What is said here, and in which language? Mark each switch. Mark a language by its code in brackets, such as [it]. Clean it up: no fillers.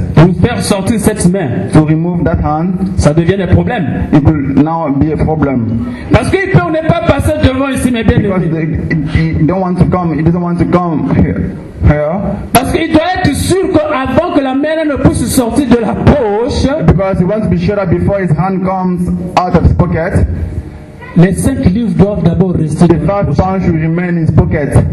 [fr] pour faire sortir cette main, [en] to remove that hand, [fr] ça devient un problème. [en] It will now be a problem. [fr] Parce qu'il peut, on n'est pas passé devant ici, mais bien aimé. [en] Because he don't want to come, he doesn't want to come here. [fr] Parce qu'il doit être sûr qu'avant que la main ne puisse sortir de la poche. [en] Because he wants to be sure that before his hand comes out of his pocket, [fr] les 5 livres doivent d'abord rester. [en] The 5 pounds should remain in his pocket.